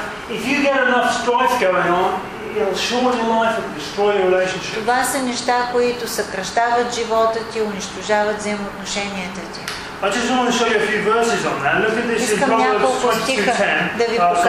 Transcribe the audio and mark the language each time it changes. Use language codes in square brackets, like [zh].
[en] If you get enough strife going on, it'll shorten your life and destroy your relationship. [bg] Това са неща, които съкращават живота ти, унищожават взаимоотношенията ти. [en] I just want to show you a few verses on that. Look at this in Proverbs